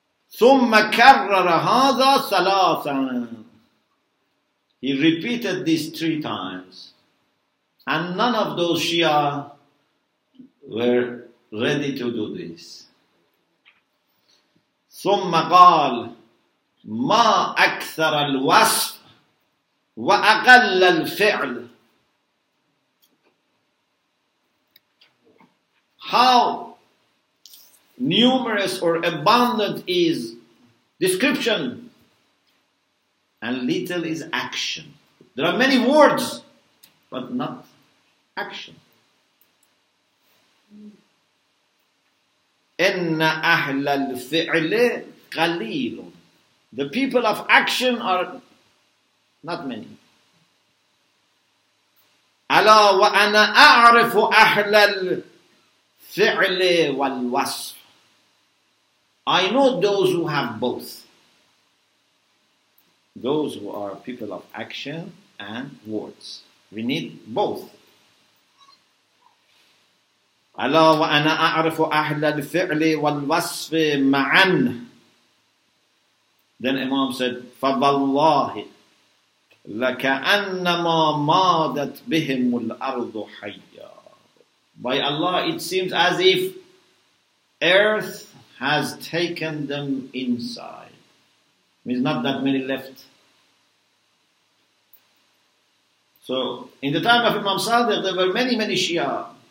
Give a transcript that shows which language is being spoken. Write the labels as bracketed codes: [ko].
[ar] ثُمَّ كَرَّرَ هَذَا ثَلَاثًا. [en] He repeated this three times. And none of those Shia were ready to do this. [ar] ثم قال ما أكثر الوصف وأقل الفعل. [en] How numerous or abundant is description and little is action. There are many words but not action. [ar] إِنَّ أَهْلَ الْفِعْلِ قَلِيلٌ. [en] The people of action are not many. [ar] أَلَا وَأَنَا أَعْرِفُ أَهْلَ الْفِعْلِ وَالْوَصْفِ. [en] I know those who have both. Those who are people of action and words. We need both. [ar] ألا وأنا أعرف أهل الفعل والوصف معا. [en] Then Imam said, [ar] فبالله لكأنما مادت بهم الأرض حيا. [en] By Allah, it seems as if earth has taken them inside. Means not that many left. So in the time of Imam Sadiq, there were many, many Shia.